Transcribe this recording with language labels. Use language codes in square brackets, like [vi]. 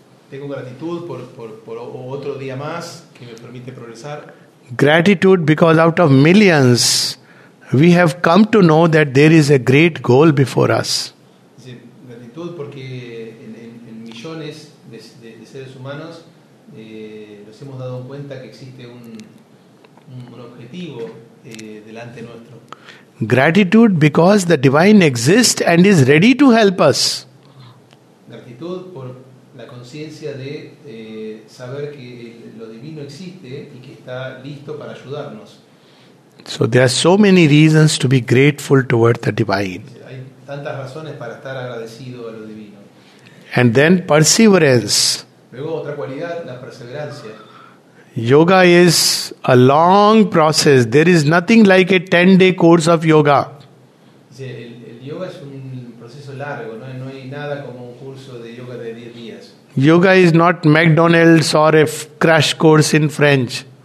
[es] Tengo gratitud por otro día más que me permite progresar. [en] Gratitude because out of millions we have come to know that there is a great goal before us. [es] Porque en millones de seres humanos nos hemos dado cuenta que existe un objetivo delante nuestro. [en] Gratitude because the divine exists and is ready to help us. [es] Gratitud por la conciencia de saber que lo divino existe y que está listo para ayudarnos. [en] So there are so many reasons to be grateful toward the divine. [es] Tantas razones para estar agradecido a lo divino. [en] And then perseverance. [es] Luego otra cualidad, la perseverancia. [en] Yoga is a long process. There is nothing like a 10-day course of yoga. [es] El yoga es un proceso largo, ¿no? No hay nada como un curso de yoga de 10 días. [en] Yoga is not McDonald's or a crash course in French.